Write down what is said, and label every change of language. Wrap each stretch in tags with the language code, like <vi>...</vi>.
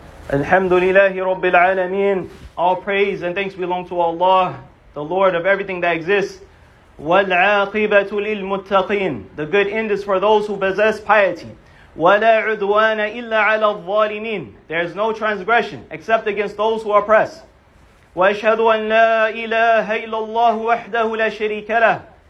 <ar>الحمد لله رب العالمين.</ar> <en>All praise and thanks belong to Allah, the Lord of everything that exists.</en> <ar>والعاقبة للمتقين.</ar> <en>The good end is for those who possess piety.</en> <ar>ولا عدوان إلا على الظالمين.</ar> <en>There is no transgression except against those who oppress.</en> <ar>وأشهد أن لا إله إلا الله وحده لا شريك له.</ar>